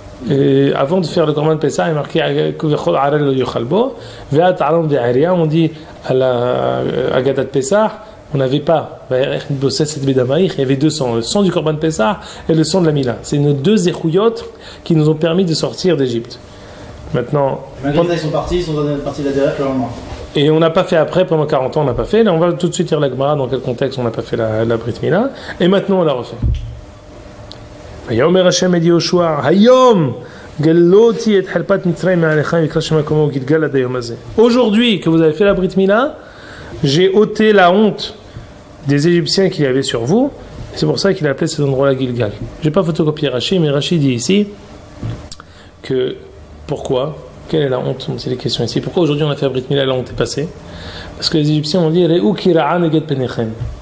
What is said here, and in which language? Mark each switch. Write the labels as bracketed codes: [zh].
[fr] Et avant de faire le commandement de Pessah, il est marqué [he] Kuvichol Arel Yochalbo, Veat Aram de Aria, [fr] on dit à la Agada de Pessah, on n'avait pas, il y avait deux sangs, le sang du commandement de Pessah et le sang de la Mila. C'est nos deux échouillotes qui nous ont permis de sortir d'Egypte. Maintenant. Malgré ça, ils sont partis, ils sont dans une partie de la Derech le lendemain. Et on n'a pas fait après, pendant 40 ans, on n'a pas fait. Là, on va tout de suite lire la Gemara, dans quel contexte on n'a pas fait la Brit Mila. Et maintenant, on la refait. [he] ויאמר השם אל יהושע, היום גלותי את חרפת מצרים מעליכם ויקרא שם מקומו גלגל עד היום הזה. [fr] Aujourd'hui, que vous avez fait la Brit Mila, j'ai ôté la honte des Égyptiens qu'il y avait sur vous. C'est pour ça qu'il a appelé cet endroit-là Gilgal. J'ai pas photocopié Rashi, mais Rashi dit ici que pourquoi ? Quelle est la honte ? C'est les questions ici. Pourquoi aujourd'hui on a fait la Brit Mila et la honte est passée ? Parce que les Égyptiens ont dit [he] Re'u kira'a neged penechem.